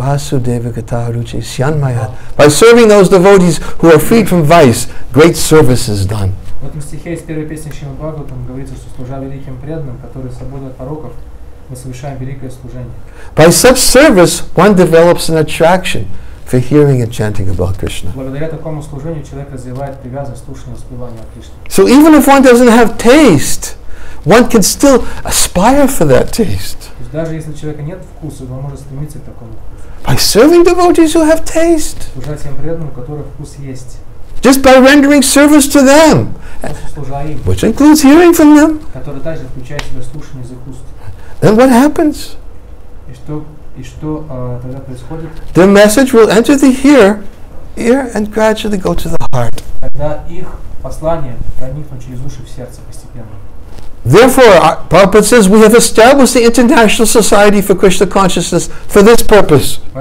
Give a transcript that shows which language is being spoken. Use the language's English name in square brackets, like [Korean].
[English] By serving those devotees who are freed from vice, great service is done. [Russian] В этом стихе из первой песни Шримад Бхагаватам говорится, что служа великим преданным, которые свободны от пороков, мы совершаем великое служение. [English] By such service, one develops an attraction for hearing and chanting about Krishna. [Russian] Благодаря такому служению человек развивает привязанность к слушанию и воспеванию о Кришне. [English] So even if one doesn't have taste, one can still aspire for that taste. [Russian] Даже если у человека нет вкуса, он может стремиться к такому вкусу. [English] By serving devotees who have taste. [Russian] Служа тем преданным, у которых вкус есть. [English] Just by rendering service to them, which includes hearing from them. [Russian] Который также включает в себя слушание из их уст. [English] Then what happens? [Russian] И что тогда происходит? [English] The message will enter the ear and gradually go to the heart. [Russian] Тогда их послание проникнет через уши в сердце постепенно. [English] Therefore, Prabhupada says we have established the International Society for Krishna Consciousness for this purpose.